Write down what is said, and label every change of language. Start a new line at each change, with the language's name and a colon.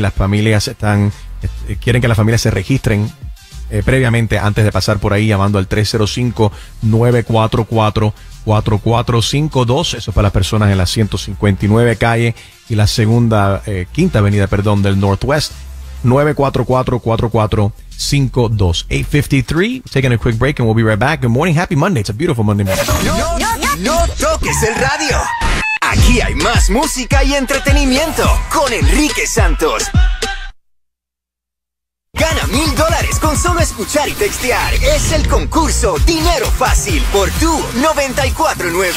Spanish: Las familias están, quieren que las familias se registren previamente antes de pasar por ahí, llamando al 305-944-4452. Eso es para las personas en la 159 calle y la segunda, quinta avenida, perdón, del Northwest. 944-4452.
English: 853, taking a quick break and we'll be right back. Good morning, happy Monday. It's a beautiful Monday morning.
Spanish: No toques el radio. Aquí hay más música y entretenimiento con Enrique Santos. Gana $1,000 con solo escuchar y textear. Es el concurso Dinero Fácil por tu 94.9.